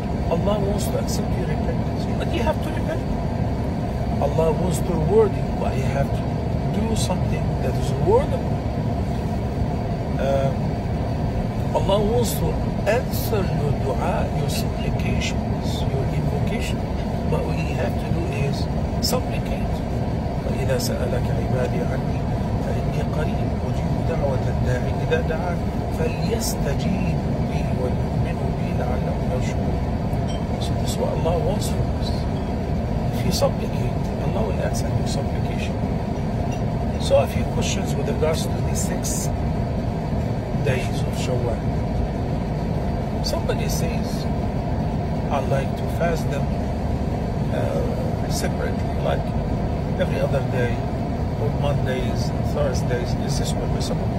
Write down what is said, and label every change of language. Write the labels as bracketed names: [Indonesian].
[English] Allah wants to accept your repentance, but you have to repent. Allah wants to reward you, but you have to do something that is rewardable. Allah wants to answer your dua, your supplications, your invocation, but what you have to do is supplicate. [Arabic] إذا سألك عبادي عني فإني قريب أجيب دعوة الداعي إذا دعا فليستجيب لي ويؤمن بي لعلهم يرشدون. [English] So this is what Allah wants from us. If you supplicate, Allah will answer your supplication. So a few questions with regards to the 6 days of Shawwal. Somebody says, I'd like to fast them separately, like every other day, or Mondays, Thursdays, this is permissible.